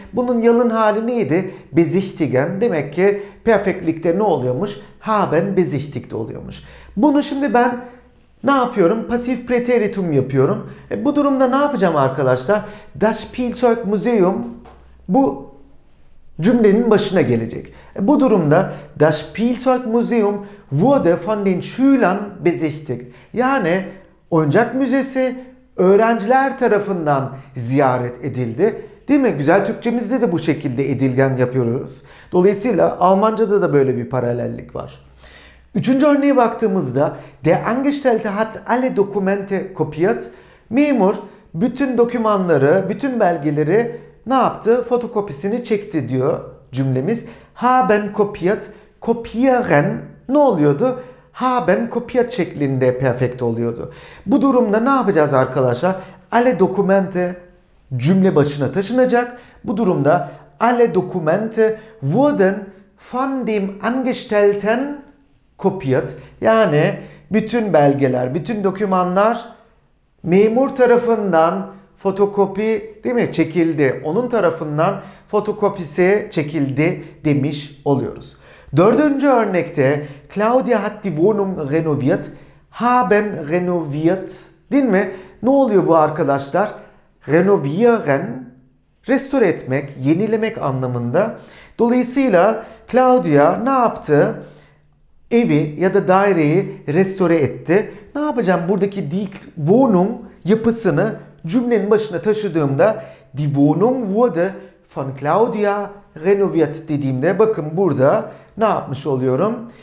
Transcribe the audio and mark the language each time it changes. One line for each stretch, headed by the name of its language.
Turkish: Bunun yalın hali neydi? Besichtigen. Demek ki perfectlikte ne oluyormuş?
German: Haben besichtigt
Turkish: oluyormuş. Bunu şimdi ben ne yapıyorum? Pasif preteritum yapıyorum. Bu durumda ne yapacağım arkadaşlar?
German: Das Spielzeugmuseum
Turkish: bu cümlenin başına gelecek. Bu durumda
German: das Spielzeugmuseum wurde von den Schülern besichtigt.
Turkish: Yani oyuncak müzesi öğrenciler tarafından ziyaret edildi. Değil mi? Güzel Türkçemizde de bu şekilde edilgen yapıyoruz. Dolayısıyla Almanca'da da böyle bir paralellik var. Üçüncü örneğe baktığımızda
German: der Angestellte hat alle Dokumente kopiert.
Turkish: Memur bütün dokümanları, bütün belgeleri ne yaptı? Fotokopisini çekti diyor cümlemiz.
German: Haben kopiert,
Turkish: kopieren ne oluyordu?
German: Haben kopiert
Turkish: şeklinde perfekt oluyordu. Bu durumda ne yapacağız arkadaşlar?
German: Alle Dokumente
Turkish: cümle başına taşınacak. Bu durumda
German: alle Dokumente wurden von dem Angestellten kopiert.
Turkish: Yani bütün belgeler, bütün dokümanlar memur tarafından fotokopi, değil mi, çekildi. Onun tarafından fotokopisi çekildi demiş oluyoruz. Dördüncü örnekte
German: Claudia hat die Wohnung renoviert. Haben renoviert.
Turkish: Değil mi? Ne oluyor bu arkadaşlar? Renovieren, restore etmek, yenilemek anlamında. Dolayısıyla Claudia ne yaptı? Evi ya da daireyi restore etti. Ne yapacağım? Buradaki die Wohnung yapısını cümlenin başına taşıdığımda
German: die Wohnung wurde von Claudia renoviert
Turkish: dediğimde bakın burada ne yapmış oluyorum?